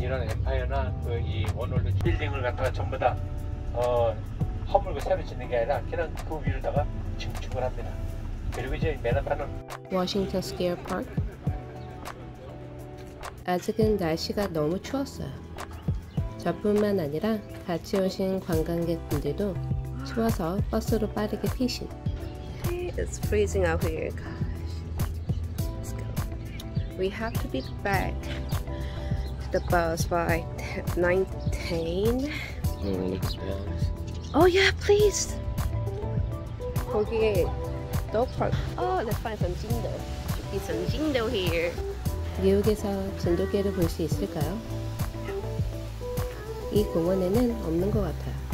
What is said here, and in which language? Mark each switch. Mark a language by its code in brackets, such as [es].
[ko] 이런 엠파이어나 그 이 원월드 빌딩을 갖다가 전부 다 허물고 새로 짓는 게 아니라 그냥 그 위로다가 증축을 합니다. 그리고 이제 맨하튼은 워싱턴 스퀘어 파크. 아직은 날씨가 너무 추웠어요. 저뿐만 아니라 같이 오신 관광객분들도 추워서 버스로 빠르게 피신. [en] It's freezing out here, gosh. Let's go. We have to be back to the bus by 19. Oh yeah, please. [ko] 거기 dog park. [en] Oh, let's find some jindo. Should be some jindo here. [ko] 뉴욕에서 진돗개를 볼 수 있을까요? 이 공원에는 없는 것 같아요.